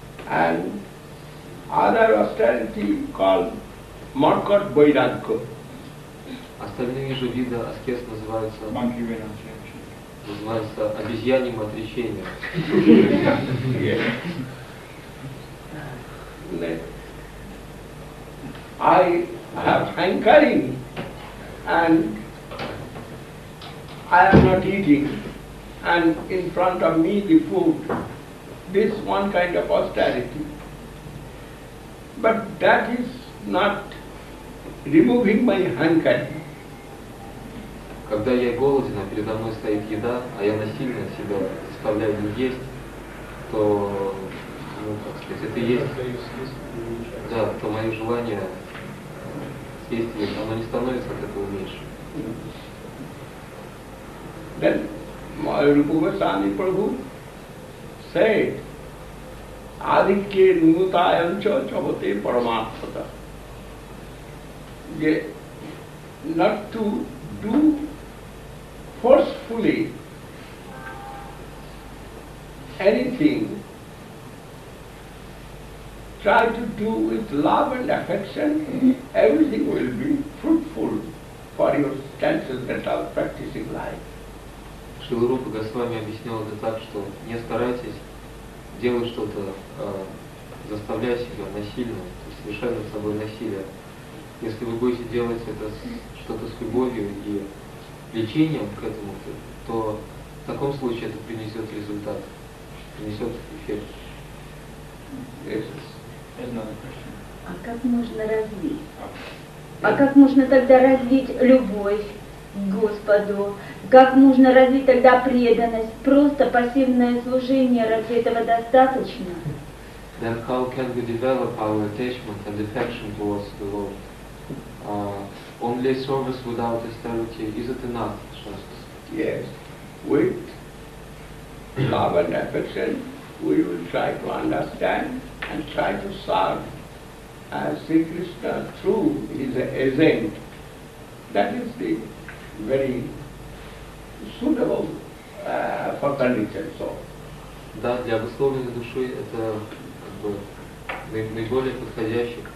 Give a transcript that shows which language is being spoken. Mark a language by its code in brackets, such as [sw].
[en] And other austerity called Markat Vairagya. [ru] Остальные же виды аскез называются... [en] Monkey Vairagya. [ru] Называется обезьяньим отречением. [en] I have hankering and I am not eating and in front of me the food. This one kind of austerity. But that is not removing my hankering. [ru] Когда я голоден, а передо мной стоит еда, а я насильно себя заставляю не есть, то, ну, как сказать, это и есть. Да, то мое желание съесть, оно не становится от этого меньше. [en] Then, Rupa Sani Prabhu said, [sa] Adhikye Nutayam Cha Chavate Paramatthata. [en] Not to do forcefully anything, try to do with love and affection, everything will be fruitful for your senses that are practicing life. [ru] Шрила Рупа Госвами объяснил это так, что не старайтесь делать что-то, заставляя себя насильно, то есть совершать над собой насилие. Если вы будете делать это что-то с любовью и лечением к этому, то в таком случае это принесет результат, принесет эффект. [en] Yes. [ru] А как можно развить? А как можно тогда развить любовь к Господу? Как можно развить тогда преданность? Просто пассивное служение, разве этого достаточно? [en] Then how can we develop our attachment and affection towards the Lord? Only service without austerity, is it enough, Shastra? Yes. With love and affection, we will try to understand and try to serve as Sri Krishna through his agent. That is the very suitable for conditioned soul. [ru] Да, для обусловленной души это как бы наиболее подходящий.